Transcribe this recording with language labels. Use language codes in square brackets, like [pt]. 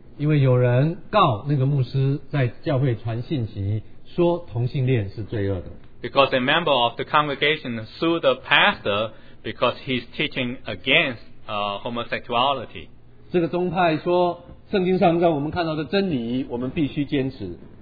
[zh] 因为有人告那个牧师在教会传信息说同性恋是罪恶的 [en] Because a member of the congregation sued the pastor because he's teaching against homosexuality. [zh] 这个宗派说，圣经上让我们看到的真理，我们必须坚持。